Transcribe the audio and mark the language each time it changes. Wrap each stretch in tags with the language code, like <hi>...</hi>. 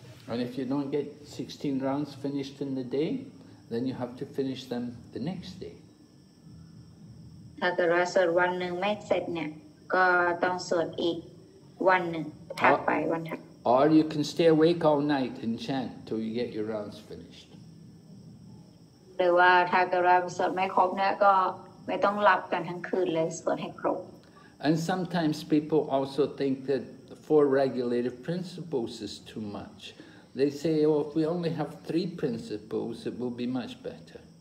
<en>And if you don't get 16 rounds finished in the day,Then you have to finish them the next day.</en> <th>ถ้าเกิดว่าสวดวันหนึ่งไม่เสร็จเนี่ยก็ต้องสวดอีกวันหนึ่งถัดไปวันถัด</th> <en>Or you can stay awake all night and chant till you get your rounds finished.</en> <th>หรือว่าถ้าเกิดว่าสวดไม่ครบเนี่ยก็ไม่ต้องหลับกันทั้งคืนเลยสวดให้ครบ</th> <en>And sometimes people also think that the four regulative principles is too much. They say, oh, if we only have 3 principles, it will be much better.</en>